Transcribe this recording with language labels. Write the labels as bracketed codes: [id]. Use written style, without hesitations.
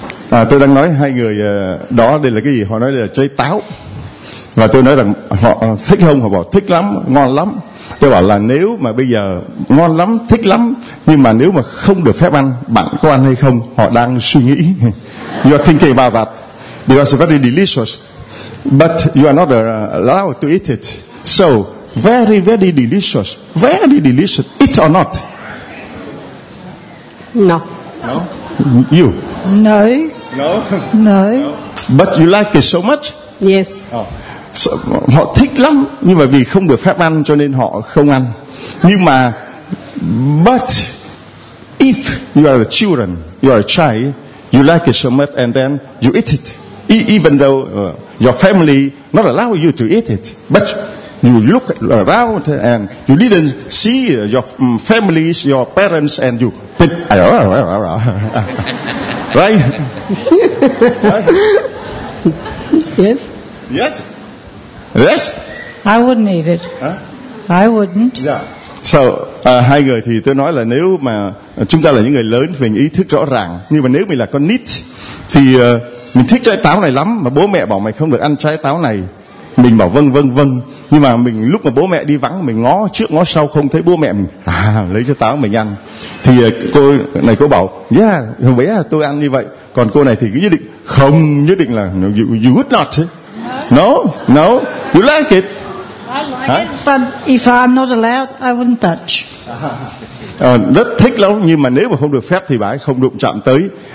[vi] Tôi đang nói hai người đó đây là cái gì. Họ nói là trái táo. Và tôi nói rằng họ thích không? Họ bảo thích lắm, ngon lắm. Tôi bảo là nếu mà bây giờ ngon lắm, thích lắm, nhưng mà nếu mà không được phép ăn, bạn có ăn hay không? Họ đang suy nghĩ. [en] You are thinking about that. Because it's very delicious, but you are not allowed to eat it. So very very delicious. Very delicious. Eat or not? No. No? You? No. No. No. But you like it so much? Yes. [vi] So, họ thích lắm, nhưng mà vì không được phép ăn cho nên họ không ăn. Nhưng mà [en] but if you are a children, you are a child, you like it so much and then you eat it. Even though your family not allow you to eat it, but you look around and you didn't see your families, your parents, and you. Right? Yes. Yes. Yes. I wouldn't eat it. Huh? I wouldn't. Yeah. [vi] So hai người thì tôi nói là nếu mà chúng ta là những người lớn, mình ý thức rõ ràng. Nhưng mà nếu mình là con nít thì mình thích trái táo này lắm, mà bố mẹ bảo mày không được ăn trái táo này, mình bảo vâng vâng vâng. Nhưng mà mình lúc mà bố mẹ đi vắng, mình ngó trước ngó sau không thấy bố mẹ mình, lấy cho táo mình ăn. Thì cô này cô bảo, yeah, hồi bé tôi ăn như vậy. Còn cô này thì cứ nhất định, không, nhất định là [en] you would not. No, no, you like it. I like it, but if I'm not allowed, I wouldn't touch. [vi] Rất thích lắm, nhưng mà nếu mà không được phép thì bà ấy không đụng chạm tới.